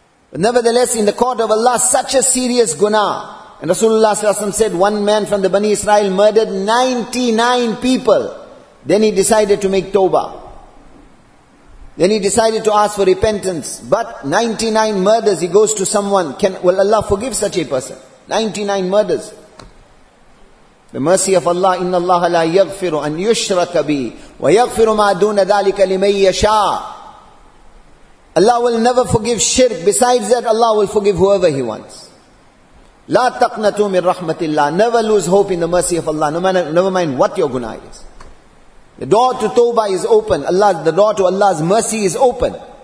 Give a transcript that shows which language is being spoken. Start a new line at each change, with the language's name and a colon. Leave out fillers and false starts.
English: But nevertheless, in the court of Allah, such a serious guna. And Rasulullah ﷺ said, one man from the Bani Israel murdered 99 people. Then he decided to make tawbah. Then he decided to ask for repentance. But 99 murders, he goes to someone. Will Allah forgive such a person? 99 murders. The mercy of Allah,
Arabic: إِنَّ اللَّهَ لَا يَغْفِرُ أَنْ يُشْرَكَ بِي وَيَغْفِرُ مَا دُونَ ذَلِكَ لِمَنْ يَشَاءُ.
English: Allah will never forgive shirk. Besides that, Allah will forgive whoever He wants.
Arabic: لَا تَقْنَتُوا مِنْ رَحْمَةِ اللَّهِ.
English: Never lose hope in the mercy of Allah. Never mind what your guna is. The door to tawbah is open. The door to Allah's mercy is open.